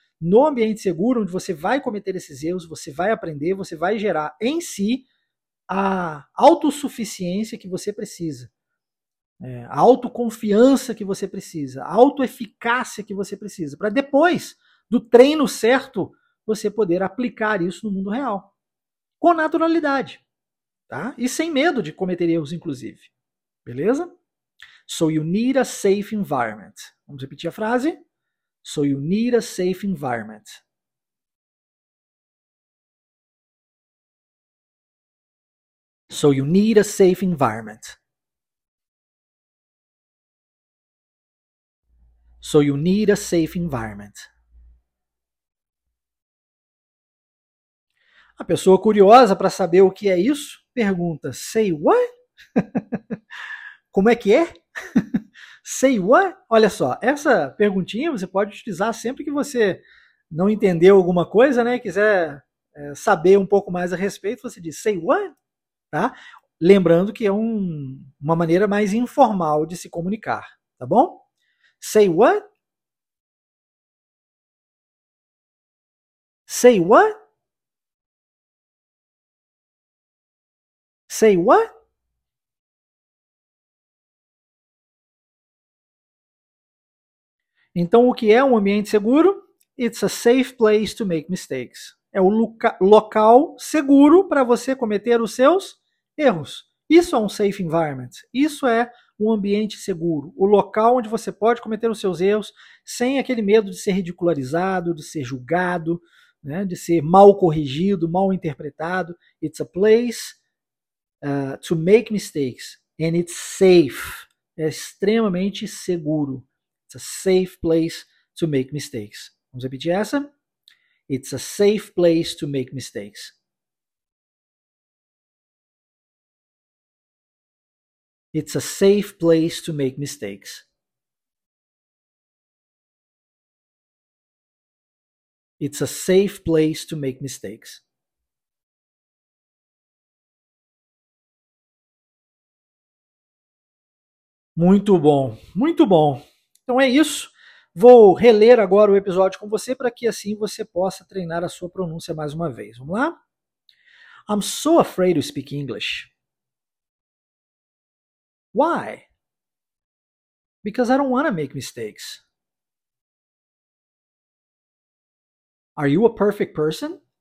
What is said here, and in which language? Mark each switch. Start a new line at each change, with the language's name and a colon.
Portuguese: No ambiente seguro, onde você vai cometer esses erros, você vai aprender, você vai gerar em si a autossuficiência que você precisa. A autoconfiança que você precisa, a autoeficácia que você precisa, para depois do treino certo, você poder aplicar isso no mundo real, com naturalidade, tá? E sem medo de cometer erros, inclusive. Beleza?
English: So you need a safe environment.
Portuguese: Vamos repetir a frase?
English: So you need a safe environment. So you need a safe environment. So you need a safe environment.
Portuguese: A pessoa curiosa para saber o que é isso pergunta:
English: say what?
Portuguese: Como é que é?
English: Say what?
Portuguese: Olha só, essa perguntinha você pode utilizar sempre que você não entendeu alguma coisa, né? Quiser saber um pouco mais a respeito, você diz
English: say what?
Portuguese: Tá? Lembrando que é uma maneira mais informal de se comunicar, tá bom?
English: Say what? Say what? Say what?
Portuguese: Então, o que é um ambiente seguro?
English: It's a safe place to make mistakes.
Portuguese: É o local seguro para você cometer os seus erros. Isso é um safe environment. Isso é um ambiente seguro. O local onde você pode cometer os seus erros sem aquele medo de ser ridicularizado, de ser julgado, né, de ser mal corrigido, mal interpretado.
English: It's a place to make mistakes. And it's safe.
Portuguese: É extremamente seguro.
English: It's a safe place to make mistakes.
Portuguese: Vamos repetir essa?
English: It's a safe place to make mistakes. It's a safe place to make mistakes. It's a safe place to make mistakes.
Portuguese: Muito bom, muito bom. Então é isso. Vou reler agora o episódio com você para que assim você possa treinar a sua pronúncia mais uma vez. Vamos lá?
English: I'm so afraid to speak English. Why? Because I don't want to make mistakes. Are you a perfect person?